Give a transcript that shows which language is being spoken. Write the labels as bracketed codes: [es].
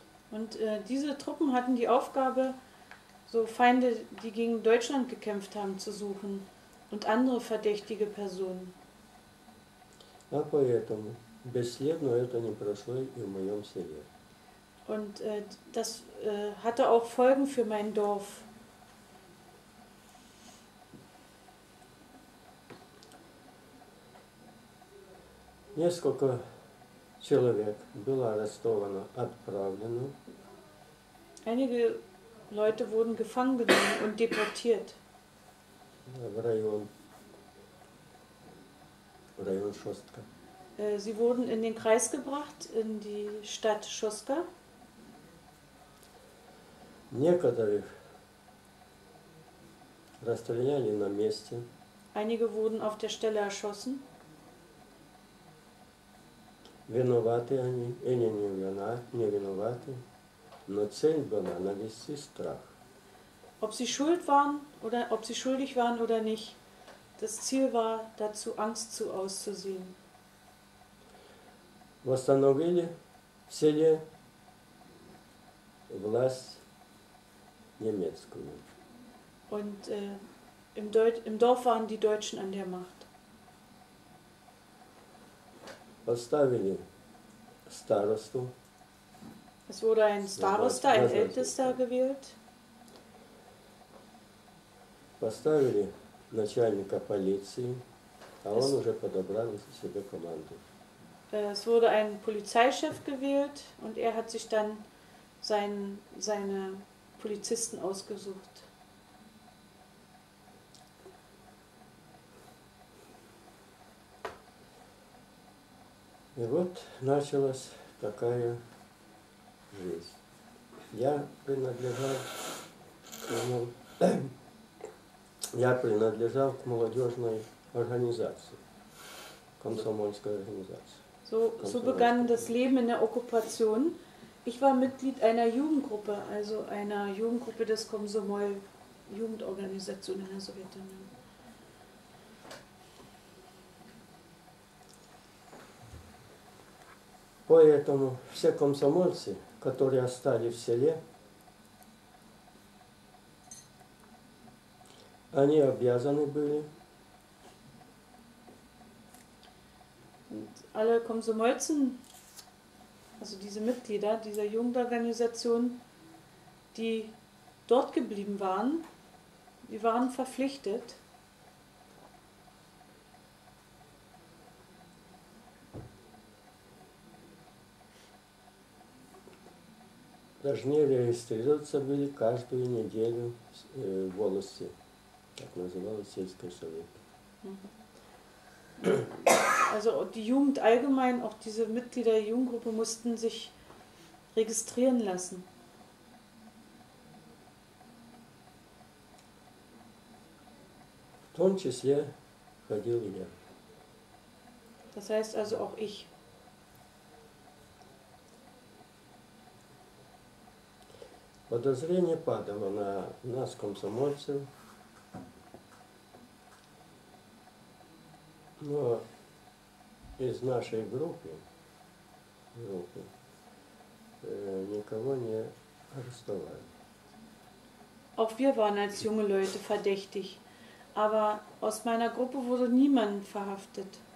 [de] Und diese Truppen hatten die Aufgabe, so Feinde, die gegen Deutschland gekämpft haben, zu suchen und andere verdächtige Personen. [ru] А поэтому бесследно это не прошло и в моем селе. [de] Und das hatte auch Folgen für mein Dorf. [ru] несколько человек было арестовано, отправлено. [de] Einige Leute wurden gefangen genommen und deportiert. [ru] В район Шостка. [de] Sie wurden in den Kreis gebracht, in die Stadt Шостка. [ru] Некоторых расстреляли на месте. [de] Einige wurden auf der Stelle erschossen. [ru] Виноваты они или не виноваты, но цель была навести страх. [de] Ob sie schuld waren oder ob sie schuldig waren oder nicht, das Ziel war dazu Angst zu auszusehen. [ru] Восстановили в селе власть немецкую. [de] Und im Dorf waren die Deutschen an der Macht. [ru] Поставили старосту. [de] Es wurde ein Starosta, ein Ältester gewählt. [ru] Поставили начальника полиции, а он уже подобрал себе команду. [de] Es wurde ein Polizeichef gewählt und er hat sich dann seine Polizisten ausgesucht. [ru] И вот началась такая жизнь. Я принадлежал к молодежной организации, комсомольской организации. [de] So begann das Leben in der Okkupation. Ich war Mitglied einer Jugendgruppe, also einer Jugendgruppe des Komsomol, Jugendorganisation in der Sowjetunion. [ru] Поэтому все комсомольцы, которые остались в селе, они обязаны были. [de] Alle Komsomolzen, also diese Mitglieder dieser Jugendorganisation, die dort geblieben waren, die waren verpflichtet. [ru] Должны регистрироваться были каждую неделю в волости, так называлось сельское совет. [de] Also die Jugend allgemein, auch diese Mitglieder der Jugendgruppe, mussten sich registrieren lassen. [ru] В том числе ходил я. [de] Das heißt also auch ich. [ru] Подозрение падало на нас, комсомольцев. Но из нашей группы никого не арестовали. [de] Auch wir waren als junge Leute verdächtig, aber aus meiner Gruppe wurde niemand verhaftet.